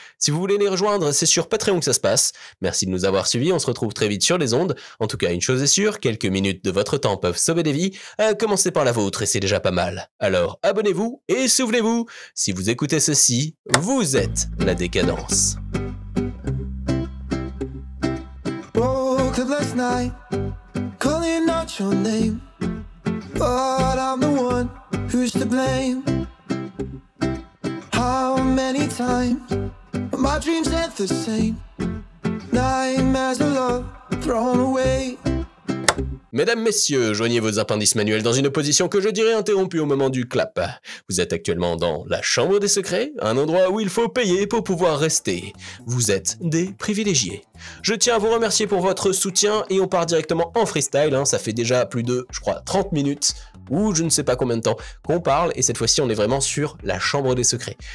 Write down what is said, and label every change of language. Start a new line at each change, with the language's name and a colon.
French: Si vous voulez les rejoindre, c'est sur Patreon que ça se passe. Merci de nous avoir suivis, on se retrouve très vite sur les ondes. En tout cas, une chose est sûre, quelques minutes de votre temps peuvent sauver des vies. Commencez par la vôtre et c'est déjà pas mal. Alors abonnez-vous et souvenez-vous, si vous écoutez ceci, vous êtes la décadence.
English: Woke up last night. Calling out your name, but I'm the one who's to blame. How many times my dreams end the same? Nightmares of love thrown away.
French: Mesdames, messieurs, joignez vos appendices manuels dans une position que je dirais interrompue au moment du clap. Vous êtes actuellement dans la chambre des secrets, un endroit où il faut payer pour pouvoir rester. Vous êtes des privilégiés. Je tiens à vous remercier pour votre soutien et on part directement en freestyle, hein. Ça fait déjà plus de, je crois, 30 minutes ou je ne sais pas combien de temps qu'on parle et cette fois-ci on est vraiment sur la chambre des secrets.